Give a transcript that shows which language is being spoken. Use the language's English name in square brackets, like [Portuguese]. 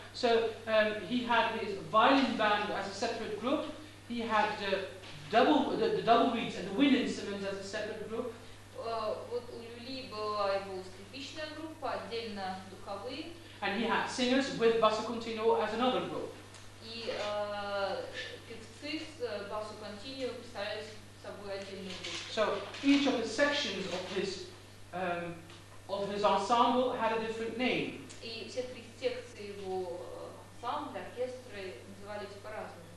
[English] So he had his violin band as a separate group. He had the double reeds and the wind instruments as a separate group. [Russian] Вот у Lully была его скрипичная группа, отдельно духовые. [English] And he had singers with basso continuo as another group. [Russian] И певцы с basso continuo писались. [English] So each of the sections of this ensemble had a different name. [Russian] И все три секции его ансамбля, оркестры назывались по-разному.